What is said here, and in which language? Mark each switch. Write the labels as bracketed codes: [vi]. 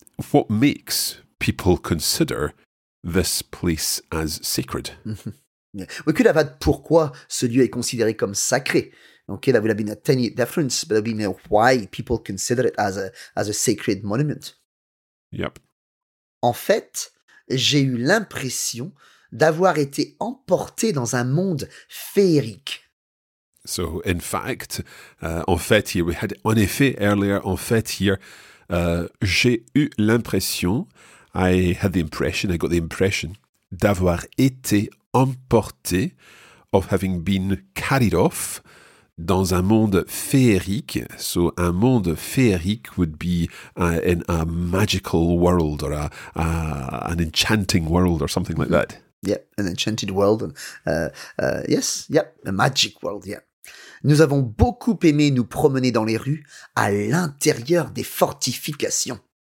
[en] What makes people consider this place as sacred? We could have had [fr] pourquoi ce lieu est considéré comme sacré. [en] Okay, that would have been a tiny difference, but it would have been why people consider it as a sacred monument. Yep. [fr] En fait, j'ai eu l'impression d'avoir été emporté dans un monde féerique. [en] So, in fact, [fr] en fait, [en] here we had, [fr] en effet, [en] earlier, en fait, here, [fr] j'ai eu l'impression, [en] I got the impression, [fr] d'avoir été emporté, [en] of having been carried off, [fr] dans un monde féerique. [en] So, [fr] un monde féerique [en] would be in a magical world, or an enchanting world, or something like that. Yeah, an enchanted world. Yes, yeah, a magic world, yeah. [fr] Nous avons beaucoup aimé nous promener dans les rues à l'intérieur des fortifications.